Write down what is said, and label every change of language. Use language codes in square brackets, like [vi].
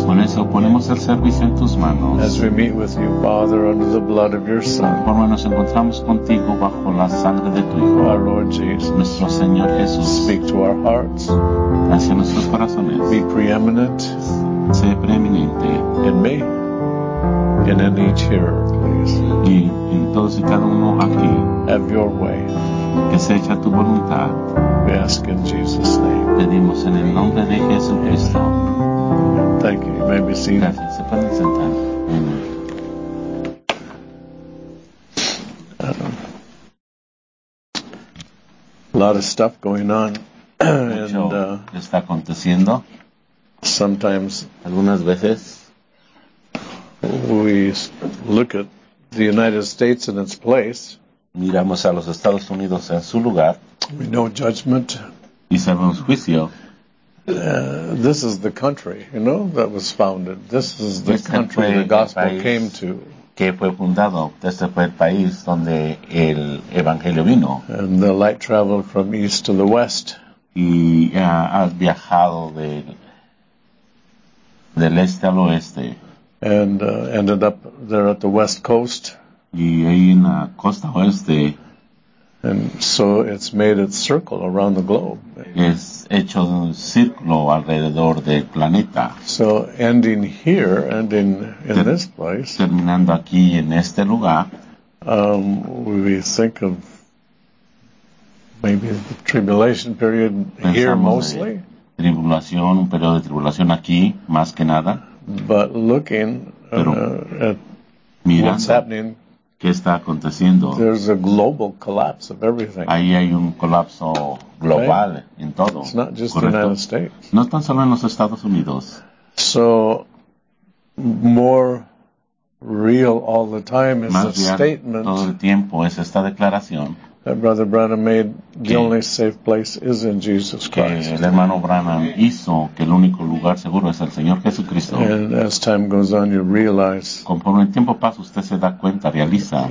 [es] Con eso ponemos el servicio en tus manos. [en] As we meet with you, Father, under the blood of your Son. [es] Forma nos encontramos contigo bajo la sangre de tu Hijo. [en] Our Lord Jesus. [es] Nuestro Señor Jesús. [en] Speak to our hearts. [es] Hacia nuestros corazones. [en] Be preeminent. [es] Sé preeminente. [en] In me. And in each hearer, please. [es] Y en todos y cada uno aquí. [en] Have your way. [es] Que se echa tu voluntad. [en] We ask in Jesus' name. [es] Pedimos en el nombre de Jesucristo. [en] Thank you. You may be seen. [es] Gracias. Se pueden sentar. [en] A lot of stuff going on. And, [es] está aconteciendo. [en] Sometimes. [es] Algunas veces. [en] We look at the United States in its place. [es] Miramos a los Estados Unidos en su lugar. [en] We know judgment. [es] Y sabemos juicio. [en] This is the country, you know, that was founded. This is the country the gospel came to. [es] Que fue fundado. Este fue el país donde el evangelio vino. [en] And the light traveled from east to the west. [es] Y has viajado del este al oeste. [en] And ended up there at the west coast. [es] Y ahí en la costa oeste. [en] And so it's made its circle around the globe. [es] Es hecho un círculo alrededor del planeta. [en] So ending here, ending in this place. [es] Terminando aquí en este lugar. [en] We think of maybe the tribulation period here mostly. [es] Tribulación, un periodo de tribulación aquí, más que nada. [en] But looking at what's happening. [es] ¿Qué está aconteciendo? [en] There's a global collapse of everything. [es] Ahí hay un colapso global, [en] right? [es] En todo. [en] It's not just the United States. [es] No tan solo en los Estados Unidos. [en] So, more real all the time is the statement [es] todo el tiempo es esta declaración [en] that Brother Branham made, the only safe place is in Jesus Christ. [es] Que el hermano Branham hizo que el único lugar seguro es el Señor Jesucristo. [en] And as time goes on, you realize, [es] conforme el tiempo pasa, usted se da cuenta, realiza,